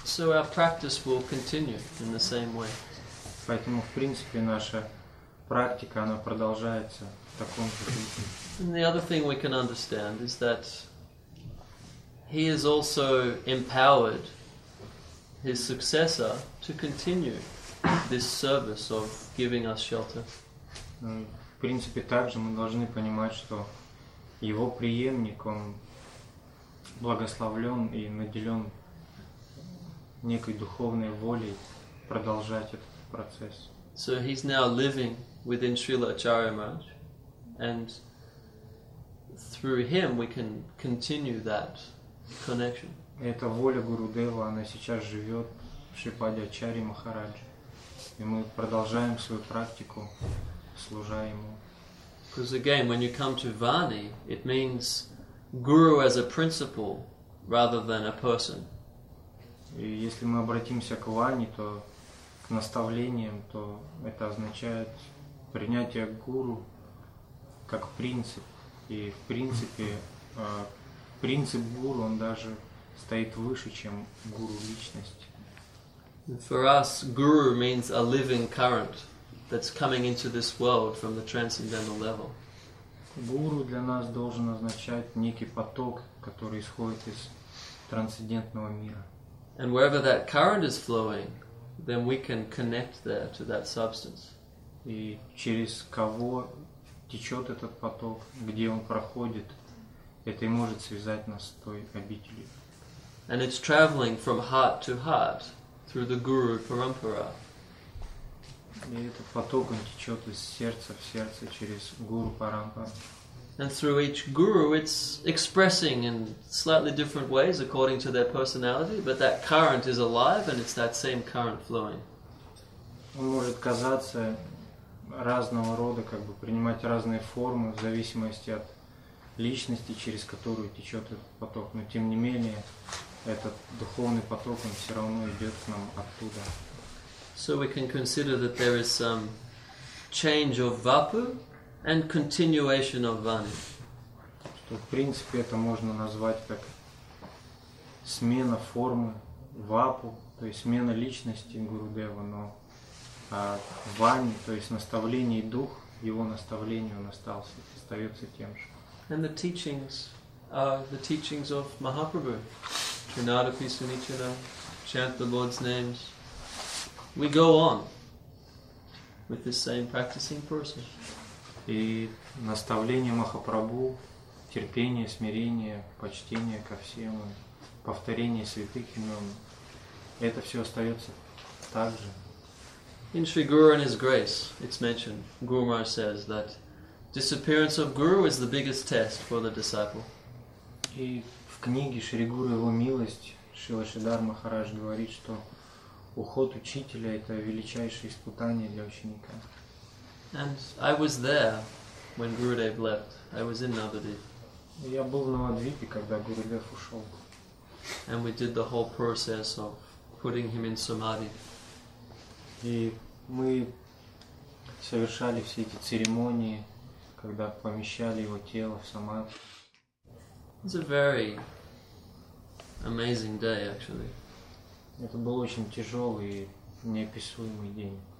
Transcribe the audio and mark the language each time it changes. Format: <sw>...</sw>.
<en>our practice will continue in the same way.</en> <ru>Поэтому, в принципе, наша практика, она продолжается в таком же духе.</ru> <en>And the other thing we can understand is that he is also empowered his successor to continue this service of giving us shelter.</en> <ru>В принципе, также мы должны понимать, что его преемник, он благословлен и наделен некой духовной волей продолжать этот процесс.</ru> <en>So he's now living within Srila Acharya Maharaj, and through him we can continue that connection.</en> <ru>Эта воля Гурудева, она сейчас живет в Шрипаде Ачарье Махарадже, и мы продолжаем свою практику, служа ему.</ru> <en>Because again, when you come to Vani, it means guru as a principle rather than a person.</en> <ru>И если мы обратимся к Вани, то к наставлениям, то это означает принятие гуру как принцип. И в принципе принцип гуру, он даже стоит выше, чем гуру личность.</ru> <en>For us, guru means a living current that's coming into this world from the transcendental level.</en> <ru>Гуру для нас должен означать некий поток, который исходит из трансцендентного мира.</ru> <en>And wherever that current is flowing, then we can connect there to that substance.</en> <ru>И через кого течет этот поток, где он проходит, это и может связать нас с той обителью.</ru> <en>And it's traveling from heart to heart through the Guru Parampara.</en> <ru>И этот поток, он течет из сердца в сердце через Гуру Парампара.</ru> <en>And through each guru, it's expressing in slightly different ways according to their personality, but that current is alive and it's that same current flowing.</en> <ru>Он может казаться разного рода, как бы принимать разные формы в зависимости от личности, через которую течет этот поток. Но тем не менее, этот духовный поток, он все равно идет к нам оттуда.</ru> <en>So we can consider that there is some change of vapu and continuation of vani.</en> <ru>Что в принципе это можно назвать как смена формы вапу, то есть смена личности Гурудева, но вани, то есть наставление и дух, его наставление он остался, остается тем же.</ru> <en>And the teachings are the teachings of Mahaprabhu. Trinada Pisunichana, chant the Lord's names. We go on with the same practicing person.</en> <ru>И наставление Махапрабху, терпение, смирение, почтение ко всем, повторение святых имен, это все остается так же.</ru> <en>In Sri Guru and His Grace, it's mentioned, Guru Maharaj says that disappearance of Guru is the biggest test for the disciple.</en> <ru>И в книге Шри Гуру Его Милость, Шрила Шридхара Махарадж говорит, что уход учителя — это величайшее испытание для ученика.</ru> <en>And I was there when Gurudev left. I was in Navadvipa.</en> <ru>Я был в Навадвипе, когда Гурудев ушел.</ru> <en>And we did the whole process of putting him in Samadhi.</en> <ru>И мы совершали все эти церемонии, когда помещали его тело в Самадхи.</ru> <en>It's a very amazing day, actually.</en> <ru>Это был очень тяжелый и неописуемый день.</ru>